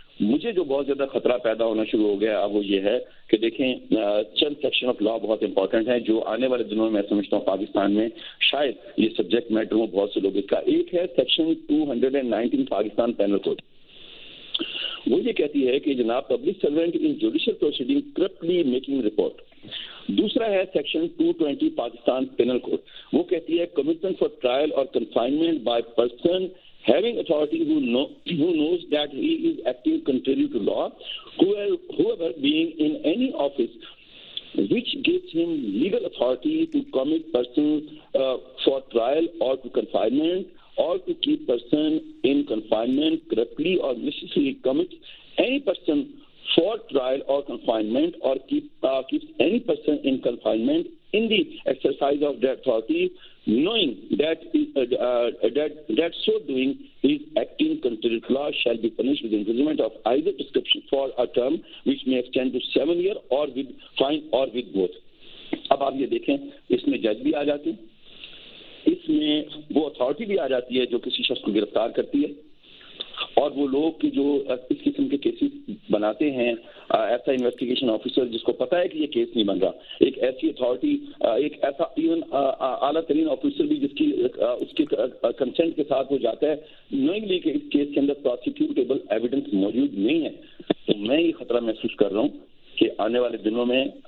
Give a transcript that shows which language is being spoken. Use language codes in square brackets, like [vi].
[ur] مجھے جو بہت زیادہ خطرہ پیدا ہونا شروع ہو گیا اب وہ یہ ہے کہ دیکھیں چند سیکشن آف لا بہت امپورٹنٹ ہیں جو آنے والے دنوں میں سمجھتا ہوں پاکستان میں شاید یہ سبجیکٹ میٹر ہو بہت سے لوگوں کا. ایک ہے سیکشن 219 پاکستان پینل کوڈ, وہ یہ کہتی ہے کہ جناب [en] Public servant in judicial proceeding corruptly making report. [ur] دوسرا ہے سیکشن 220 پاکستان پینل کوڈ, وہ کہتی ہے کمیشن فار ٹرائل اور confinement by person [en] having authority who knows that he is acting contrary to law, whoever being in any office which gives him legal authority to commit persons for trial or to confinement or to keep person in confinement corruptly or maliciously, commits any person for trial or confinement or keeps any person in confinement in the exercise of that authority knowing that that so doing is acting contrary to law shall be punished with imprisonment of either prescription for a term which may extend to 7 years or with fine or with both. [ur] Ab aap ye dekhen isme judge bhi aa jate hain, isme wo authority bhi aa jati hai jo kisi shakhs ko giraftar karti hai, اور وہ لوگ کہ جو اس قسم کے cases بناتے ہیں ایسا انویسٹیگیشن آفیسر جس کو پتا ہے کہ یہ کیس نہیں بن رہا, ایک ایسی اتھارٹی, ایک ایسا ایون اعلیٰ ترین آفیسر بھی جس کی اس کے کنسنٹ کے ساتھ وہ جاتا ہے نوئنگلی کہ اس کیس کے اندر پروسیکیوٹیبل ایویڈنس موجود نہیں ہے, تو میں یہ خطرہ محسوس کر رہا ہوں کہ آنے والے دنوں میں